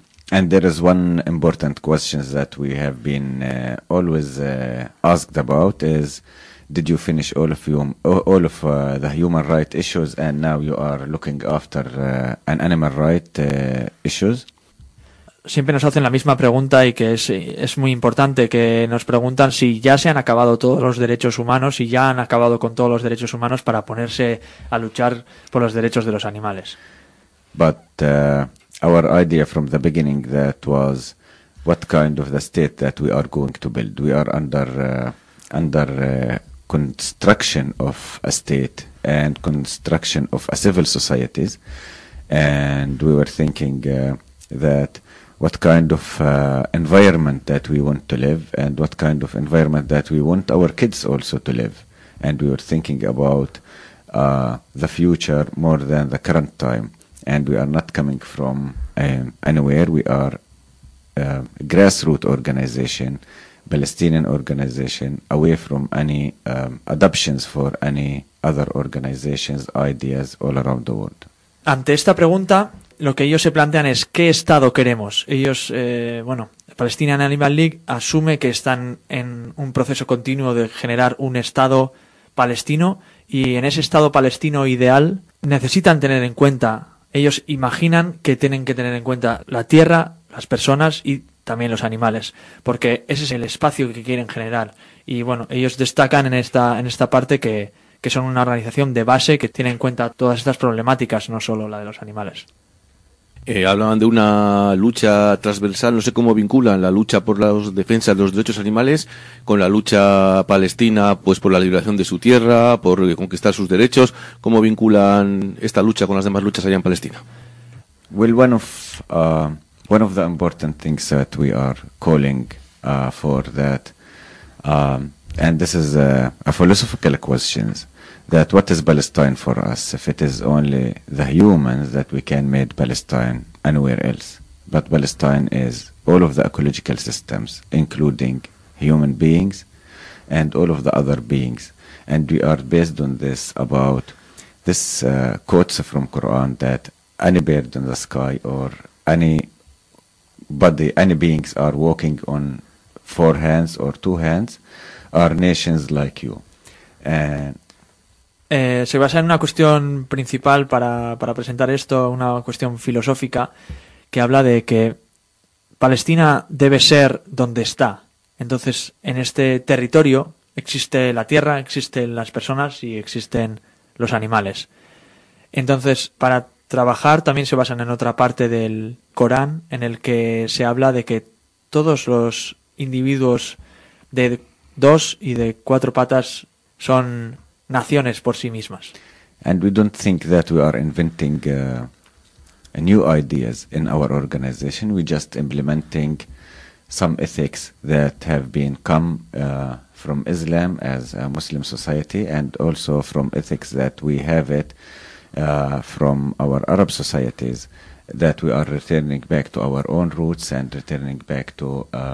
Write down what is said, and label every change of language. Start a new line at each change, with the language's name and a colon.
English: And there is one important question that we have been always asked about, is did you finish all of the human rights issues, and now you are looking after an animal rights issues?
Spanish: Siempre nos hacen la misma pregunta, y que es muy importante, que nos preguntan si ya se han acabado todos los derechos humanos, si ya han acabado con todos los derechos humanos para ponerse a luchar por los derechos de los animales.
English: But our idea from the beginning that was what kind of the state that we are going to build. We are under construction of a state and construction of a civil societies, and we were thinking that what kind of environment that we want to live, and what kind of environment that we want our kids also to live. And we were thinking about the future more than the current time. And we are not coming from anywhere. We are a grassroots organization, Palestinian organization, away from any adoptions for any other organizations, ideas all around the world.
Spanish: Ante esta pregunta, lo que ellos se plantean es qué Estado queremos. Ellos, Palestinian Animal League asume que están en un proceso continuo de generar un Estado palestino, y en ese Estado palestino ideal necesitan tener en cuenta, ellos imaginan que tienen que tener en cuenta la tierra, las personas y también los animales, porque ese es el espacio que quieren generar. Y bueno, ellos destacan en esta parte que son una organización de base que tiene en cuenta todas estas problemáticas, no solo la de los animales. Hablaban de una lucha transversal, no sé cómo vinculan la lucha por la defensa de los derechos animales con la lucha palestina, pues por la liberación de su tierra, por conquistar sus derechos. ¿Cómo vinculan esta lucha con las demás luchas allá en Palestina?
English: Well, one of the important things that we are calling for that, and this is a philosophical question, that what is Palestine for us? If it is only the humans, that we can make Palestine anywhere else. But Palestine is all of the ecological systems, including human beings and all of the other beings. And we are based on this, about this quotes from Quran, that any bird in the sky or any body, any beings are walking on four hands or two hands, are nations like you. And
Spanish: Se basa en una cuestión principal para presentar esto, una cuestión filosófica, que habla de que Palestina debe ser donde está. Entonces, en este territorio existe la tierra, existen las personas y existen los animales. Entonces, para trabajar también se basan en otra parte del Corán, en el que se habla de que todos los individuos de dos y de cuatro patas son naciones por sí mismas.
English: And we don't think that we are inventing new ideas in our organization. We're just implementing some ethics that have been come from Islam as a Muslim society, and also from ethics that we have it from our Arab societies, that we are returning back to our own roots and returning back to